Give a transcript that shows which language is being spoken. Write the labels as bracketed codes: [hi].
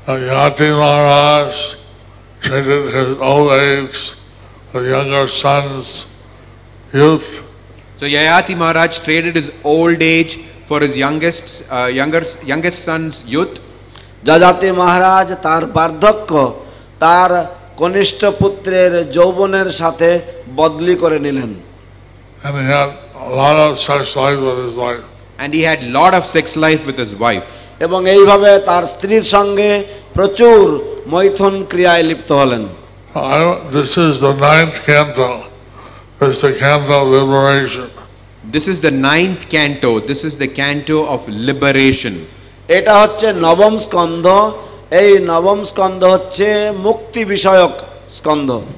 [en] Yati Maharaj treated his old age, his younger son's youth. So Yayati Maharaj traded his old age for his youngest son's youth. [bn] যাজাতি মহারাজ তার বার্ধক্য তার কনিষ্ঠ পুত্রের যৌবনের সাথে বদলি করে নিলেন। [en] And he had a lot of sex life with his wife. [bn] এবং এইভাবে তার স্ত্রীর সঙ্গে প্রচুর মৈথুন ক্রিয়ায় লিপ্ত হলেন। [en] This is the ninth canto. It's the canto of liberation. This is the ninth canto. This is the canto of liberation. [bn] এটা হচ্ছে নবম স্কন্ধ, এই নবম স্কন্ধ হচ্ছে মুক্তি বিষয়ক স্কন্ধ।